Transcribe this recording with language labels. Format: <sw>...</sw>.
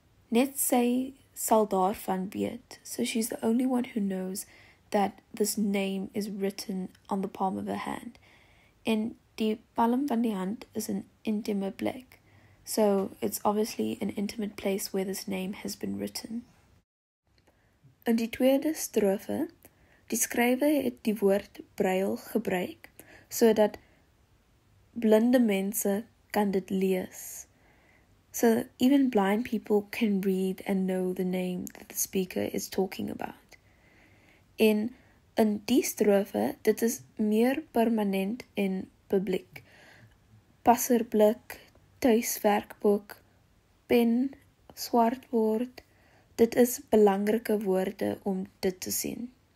<af>Net sy sal daarvan weet.</af> <en>So she's the only one who knows that this name is written on the palm of her hand.</en> <af>En die palm van die hand is an intieme plek.</af> <en>So it's obviously an intimate place where this name has been written.</en> <af>In die tweede strofe, die skrywer het die woord braille gebruik sodat blinde mense kan dit lees.</af> <en>So even blind people can read and know the name that the speaker is talking about.</en> <af>In die strofe, dit is meer permanent in publiek. Passerblik, tuiswerkboek, pen, swartwoord, dit is belangrike woorde om dit te sien.</af>